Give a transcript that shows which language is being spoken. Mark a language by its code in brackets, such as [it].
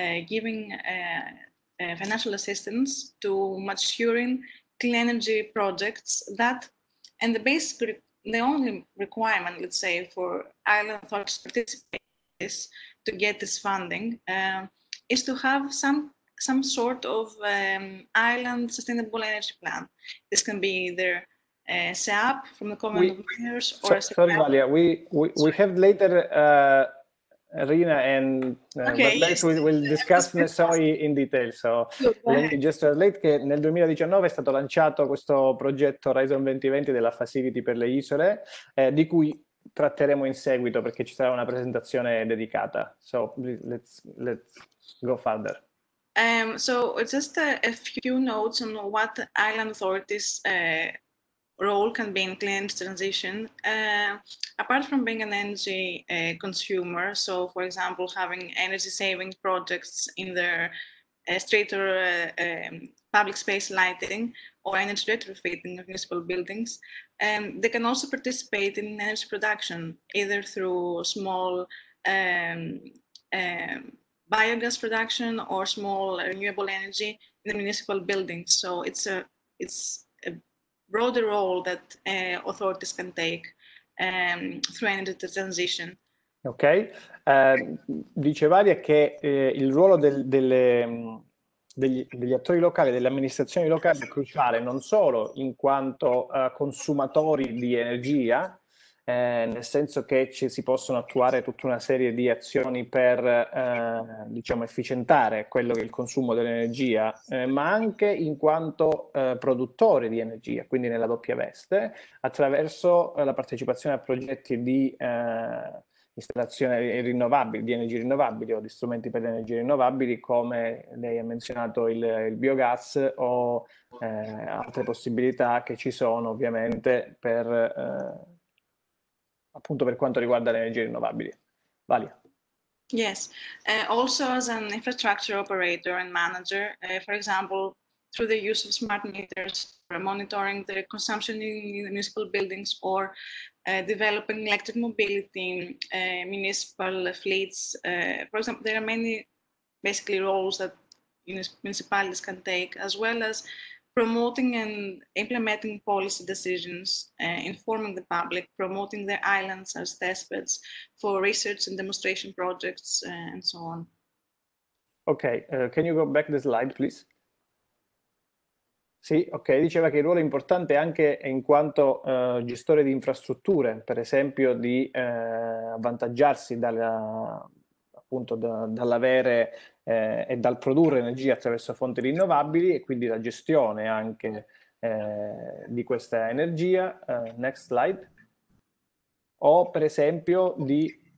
[en] giving financial assistance to maturing clean energy projects that, and the basic, the only requirement, let's say, for island authorities to participate is to get this funding is to have some sort of island sustainable energy plan. This can be either SEAP from the Common of Miners or so, sorry, Valia, we have later Rina and okay, but yes. We'll discuss NESOE in detail. So let me just relate [it] che nel 2019 è stato lanciato questo progetto Horizon 2020 della Facility per le Isole, di cui tratteremo in seguito perché ci sarà una presentazione dedicata. [en] So let's go further. So just a few notes on what island authorities role can be in clean energy transition. Apart from being an energy consumer, so for example, having energy saving projects in their street or public space lighting or energy retrofitting of municipal buildings, they can also participate in energy production either through small biogas production or small renewable energy in the municipal buildings. So it's a broader role that authorities can take through energy transition. [it] Ok, dice Varia che il ruolo degli attori locali, delle amministrazioni locali è cruciale non solo in quanto consumatori di energia, nel senso che ci si possono attuare tutta una serie di azioni per diciamo efficientare quello che è il consumo dell'energia, ma anche in quanto produttore di energia, quindi nella doppia veste, attraverso la partecipazione a progetti di installazione rinnovabile, di energie rinnovabili o di strumenti per le energie rinnovabili, come lei ha menzionato il biogas o altre possibilità che ci sono ovviamente per appunto per quanto riguarda le energie rinnovabili. [en] Valia. Yes, also as an infrastructure operator and manager, for example, through the use of smart meters for monitoring the consumption in municipal buildings or developing electric mobility in municipal fleets. For example, there are many basically roles that municipalities can take, as well as promoting and implementing policy decisions, informing the public, promoting their islands as testbeds for research and demonstration projects, and so on. Okay, can you go back the slide, please? [it] Sì, ok, diceva che il ruolo è importante anche in quanto gestore di infrastrutture, per esempio di avvantaggiarsi dall'avere e dal produrre energia attraverso fonti rinnovabili e quindi la gestione anche di questa energia, [en] next slide, [it] o per esempio di